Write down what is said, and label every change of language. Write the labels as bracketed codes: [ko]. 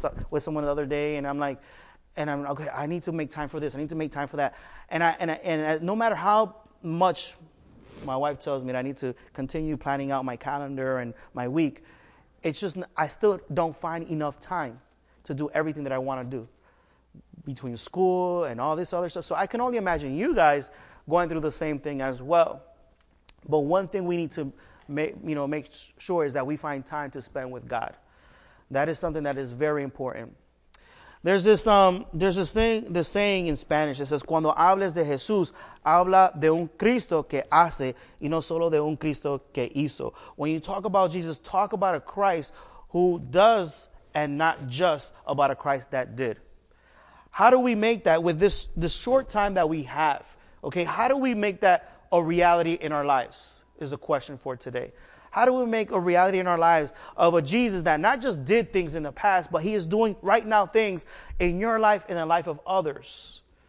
[en] with someone the other day, and I'm like, and I'm okay, I need to make time for this, I need to make time for that, and no matter how much my wife tells me that I need to continue planning out my calendar and my week, it's just I still don't find enough time to do everything that I want to do between school and all this other stuff. So I can only imagine you guys going through the same thing as well. But one thing we need to make sure is that we find time to spend with God. That is something that is very important. There's this saying in Spanish that says, [es] cuando hables de Jesús, habla de un Cristo que hace y no solo de un Cristo que hizo. [en] When you talk about Jesus, talk about a Christ who does and not just about a Christ that did. How do we make that with this short time that we have? Okay, how do we make that a reality in our lives is the question for today. How do we make a reality in our lives of a Jesus that not just did things in the past, but he is doing right now things in your life and the life of others?